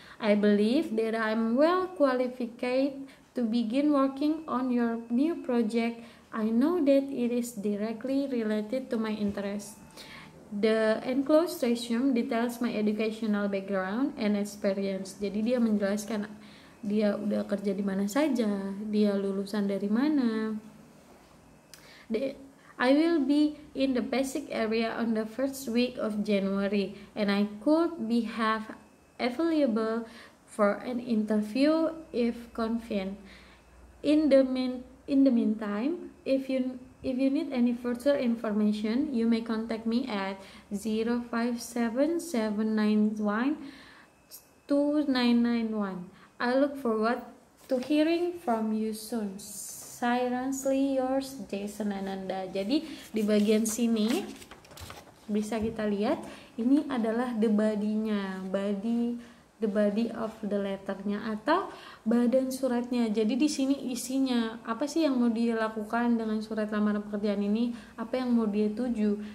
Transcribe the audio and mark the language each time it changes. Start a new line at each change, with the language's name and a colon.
English: I believe that I am well qualified to begin working on your new project. I know that it is directly related to my interest. The enclosed resume details my educational background and experience.
Indonesian: Jadi dia menjelaskan dia udah kerja di mana saja, dia lulusan dari mana.
English: I will be in the basic area on the first week of January, and I could be have available for an interview if convenient. In the meantime, if you need any further information, you may contact me at 0577912 2991. I look forward to hearing from you soon. Silently yours, Jason Ananda.
Indonesian: Jadi di bagian sini bisa kita lihat ini adalah
English: the body-nya, body, the body of the letter-nya
Indonesian: atau badan suratnya. Jadi di sini isinya apa sih yang mau dia lakukan dengan surat lamaran pekerjaan ini, apa yang mau dia tuju.